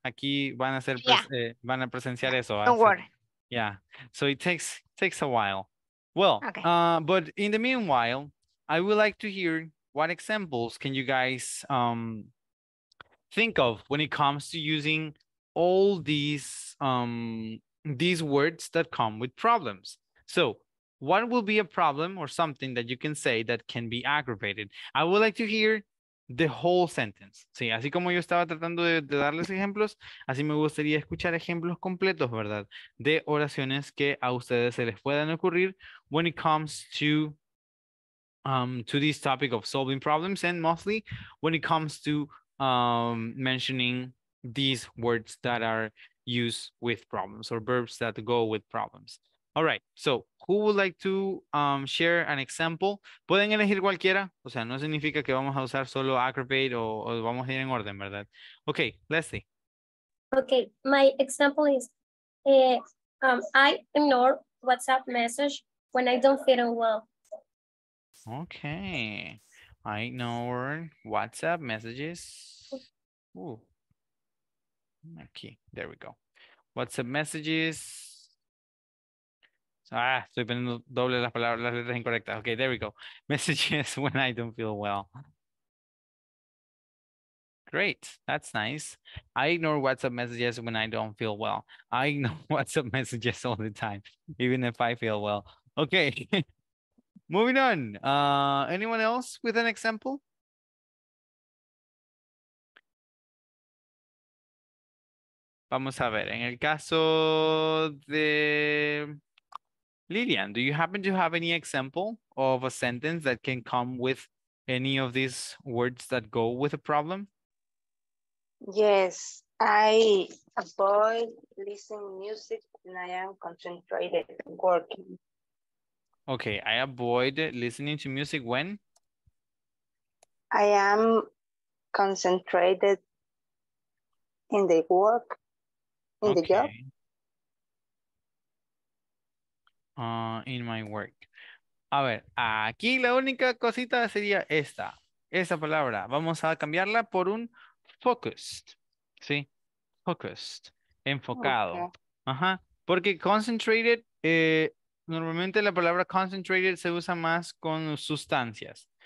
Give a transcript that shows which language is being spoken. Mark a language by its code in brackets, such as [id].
[es] Aquí van a hacer van a presenciar eso. [en] Don't worry. Yeah. So it takes a while. Well, okay. But in the meanwhile, I would like to hear what examples can you guys think of when it comes to using all these words that come with problems. So what will be a problem or something that you can say that can be aggravated? I would like to hear the whole sentence. [es] Sí, así como yo estaba tratando de darles ejemplos, así me gustaría escuchar ejemplos completos, ¿verdad? De oraciones que a ustedes se les puedan ocurrir [en] when it comes to this topic of solving problems and mostly when it comes to mentioning these words that are used with problems or verbs that go with problems. All right, so who would like to share an example? [es] Pueden elegir cualquiera. O sea, no significa que vamos a usar solo aggravate o vamos a ir en orden, ¿verdad? [en] Okay, let's see. Okay, my example is I ignore WhatsApp message when I don't feel well. Okay, I ignore WhatsApp messages. Okay, there we go. WhatsApp messages. [es] Estoy poniendo doble las palabras, las letras incorrectas. [en] Okay, there we go. Messages when I don't feel well. Great, that's nice. I ignore WhatsApp messages when I don't feel well. I ignore WhatsApp messages all the time, even if I feel well. Okay, moving on. Anyone else with an example? [es] Vamos a ver, en el caso de Lilian, [en] do you happen to have any example of a sentence that can come with any of these words that go with a problem? Yes, I avoid listening music when I am concentrated working. Okay, I avoid listening to music when? I am concentrated in the work, in the job. In my work. [es] A ver, aquí la única cosita sería esta. Esa palabra. Vamos a cambiarla por un focused. ¿Sí? Focused. Enfocado. Okay. Ajá. Porque concentrated, normalmente la palabra concentrated se usa más con sustancias.